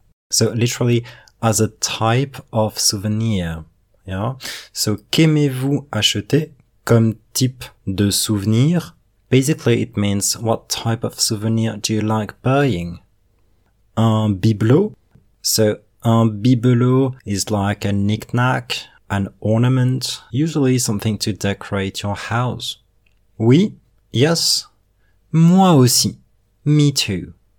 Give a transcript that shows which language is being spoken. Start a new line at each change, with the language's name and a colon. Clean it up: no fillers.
English: So literally, as a type of souvenir. Yeah.
French: So, qu'aimez-vous acheter comme type de souvenir?
English: Basically, it means what type of souvenir do you like buying? Un bibelot. So, un bibelot is like a knick-knack, an ornament, usually something to decorate your house.
French: Oui.
English: Yes.
French: Moi aussi.
English: Me too.